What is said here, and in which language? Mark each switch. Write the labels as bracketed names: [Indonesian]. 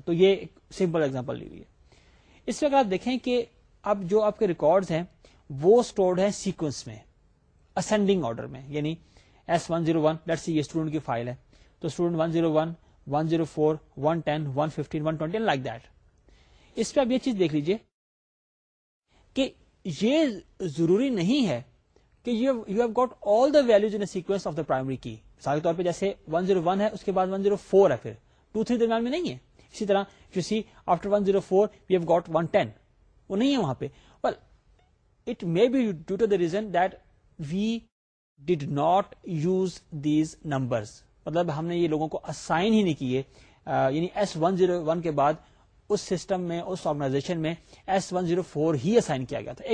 [Urdu] تو یہ ایک سمپل ایگزامپل لی ہوئی ہے. اس میں اگر آپ دیکھیں کہ اب جو آپ کے ریکارڈز ہیں وہ سٹورڈ ہیں سیکوینس میں اسینڈنگ آرڈر میں, یعنی S101 لیٹ سی یہ اسٹوڈنٹ کی فائل ہے تو اسٹوڈنٹ 101 104 110 115 120 [English] Like that. [Urdu] اس پہ آپ یہ چیز دیکھ لیجئے کہ یہ ضروری نہیں ہے کہ [English] you have got all the values in a sequence of the primary key. [Urdu] مثال کے طور پہ جیسے 101 ہے اس کے بعد 104 ہے, پھر 23 درمیان میں نہیں ہے. [English] اسی طرح you see after 104 we have got 110, [Urdu] وہ نہیں ہے وہاں پہ. [English] well it may be due to the reason that we did not use these numbers, [Urdu] مطلب ہم نے یہ لوگوں کو اسائن ہی نہیں کیے, یعنی ایس 101 کے بعد اس سسٹم میں اس آرگنائزیشن میں ایس 104 ہی اسائن کیا گیا تھا.